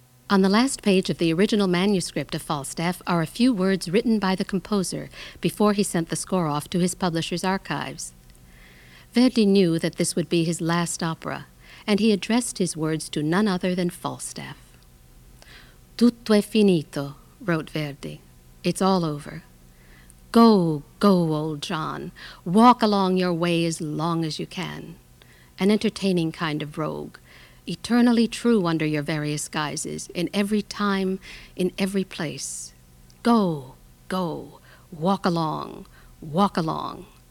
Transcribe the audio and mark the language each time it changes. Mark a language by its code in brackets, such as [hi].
[en] On the last page of the original manuscript of Falstaff are a few words written by the composer before he sent the score off to his publisher's archives. Verdi knew that this would be his last opera, and he addressed his words to none other than Falstaff. [it] "Tutto è finito," wrote Verdi. [en] "It's all over. Go, go, old John. Walk along your way as long as you can. An entertaining kind of rogue, eternally true under your various guises, in every time, in every place. Go, go, walk along, walk along.